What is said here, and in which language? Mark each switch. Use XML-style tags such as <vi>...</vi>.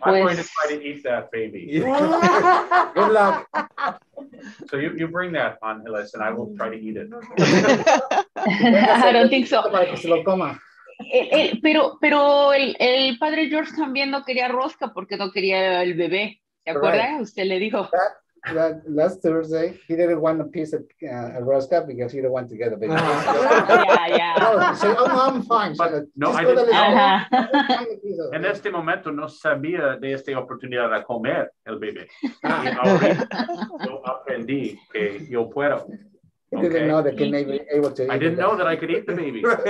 <en>I'm going to try to eat that baby. Good luck. So you bring that on, Elias, and I will try to eat it. I don't think so.</en> <es>Para que se lo coma. Pero el padre George también no quería rosca porque no quería el bebé. ¿Se acuerda? Right. Usted le dijo.</es> <en>That last Thursday, he didn't want a piece of a rosca because he didn't want to get a baby. Yeah, yeah. So, oh, no, I'm fine. But no, I didn't. Uh-huh.</en> <es>En este momento, no sabía de esta oportunidad de comer el bebé. Y ahora, yo aprendí que yo puedo.</es> <en>He didn't know that he may be able to eat. I didn't know that I could eat the baby.</en>